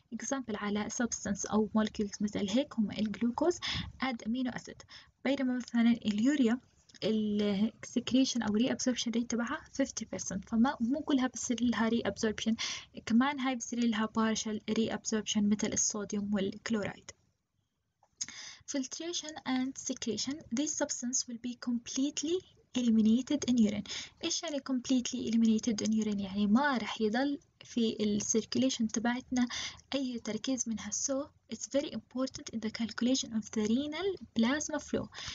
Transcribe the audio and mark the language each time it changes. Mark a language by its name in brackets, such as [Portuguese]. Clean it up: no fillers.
[Arabic] example على substance أو molecules مثل هيك هما الجلوكوز add amino acid، بينما مثلا اليوريا السكريشن أو reabsorption rate تبعها 50%، فما مو كلها بصير لها reabsorption، كمان هاي بصير لها partial reabsorption مثل الصوديوم والكلورايد. [English] filtration and secretion this substance will be completely eliminated in urine. [Arabic] ايش يعني completely eliminated in urine؟ يعني ما رح يضل في السيركيليشن تبعتنا اي تركيز منها. [English] so it's very important in the calculation of the renal plasma flow.